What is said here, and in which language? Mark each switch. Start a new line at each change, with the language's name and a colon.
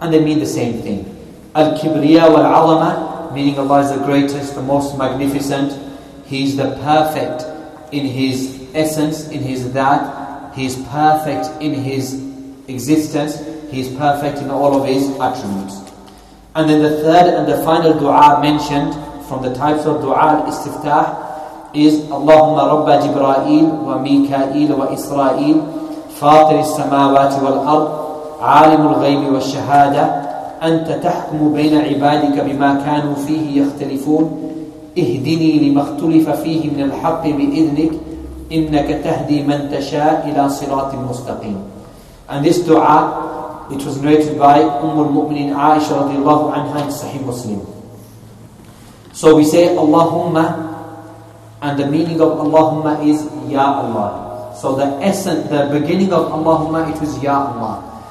English: And they mean the same thing. Al-Kibriya wal-Azama, meaning Allah is the greatest, the most magnificent. He is the perfect in His essence, in His that. He is perfect in His existence. He is perfect in all of His attributes. And then the third and the final dua mentioned from the types of dua al-istiftah is
Arabic: اللهم رب جبرائيل وميكائيل وإسرائيل فاطر السماوات والأرض عالم الغيب والشهادة أنت تحكم بين عبادك بما كانوا فيه يختلفون اهدني لما اختلف فيه من الحق بإذنك إنك تهدي من تشاء إلى صراط مستقيم.
English: And this dua, it was narrated by Umm al-Mu'minin Aisha radiallahu anha in Sahih Muslim. So we say Allahumma, and the meaning of Allahumma is Ya Allah. So the essence, the beginning of Allahumma, it was Ya Allah.